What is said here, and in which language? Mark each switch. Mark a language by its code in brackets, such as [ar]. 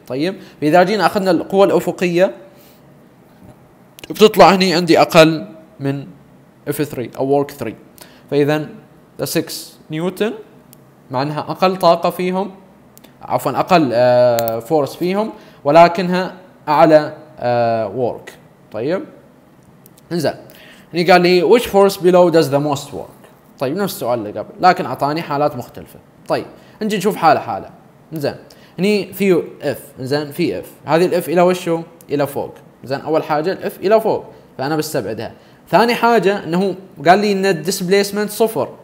[ar] طيب إذا جينا أخذنا القوة الأفقية بتطلع هني عندي أقل من F3 أو work 3. فإذا the 6 نيوتن مع أنها أقل طاقة فيهم، عفوا أقل فورس فيهم، ولكنها أعلى work. طيب إنزين هني قال لي [en] which force below does the most work. [ar] طيب نفس السؤال اللي قبل لكن أعطاني حالات مختلفة. طيب نجي نشوف حالة حالة. إنزين هني في F. إنزين في F، هذه ال F إلى وشو؟ إلى فوق. إنزين أول حاجة ال F إلى فوق فأنا بستبعدها. ثاني حاجة انه قال لي ان الديسبليسمنت صفر.